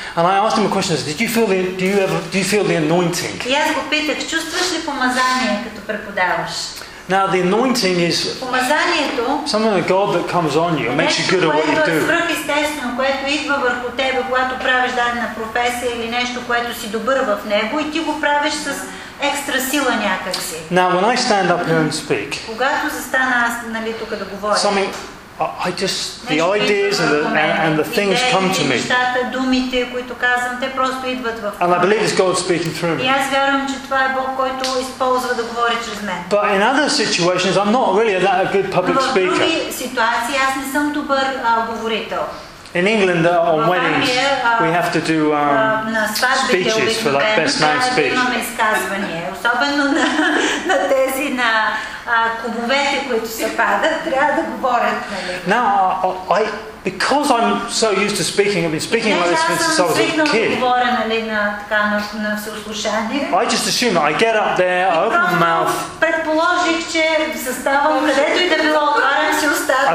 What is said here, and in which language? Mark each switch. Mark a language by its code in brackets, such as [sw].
[en] And I asked him a question. Do you feel the anointing? [bg] И аз го питах: чувстваш ли помазание като преподаваш? [en] Now the anointing is something of God that comes on you and makes you good at what you do. [bg] Свръхестествено, което идва върху тебе, когато правиш дадена професия или нещо, което си добър в него, и ти го правиш с екстра сила някакси. [en] Now when I stand up here and speak, [bg] когато застана аз, нали, тук да говоря, [en] the ideas and the things come to me. [bg] Думите, които казвам, те просто идват в [en] And I believe it's God speaking through me. [bg] И аз вярвам, че това е Бог, който използва да говори чрез мен. [en] But in other situations, I'm not really that a good public speaker. [bg] В други ситуации аз не съм добър говорител. [en] In England, on weddings, we have to do speeches for like best man speech. [bg] Имаме изказвания, особено на тези на клубовете, които се падат, трябва да говорят, нали? [en] Now, because I'm so used to speaking, I've been speaking like this since I was a kid. [bg] Да говоря, нали, на всеуслушание. [en] I just assume I get up there, I open my mouth. [bg] Предположих, че заставам където и да било, отварям си устата.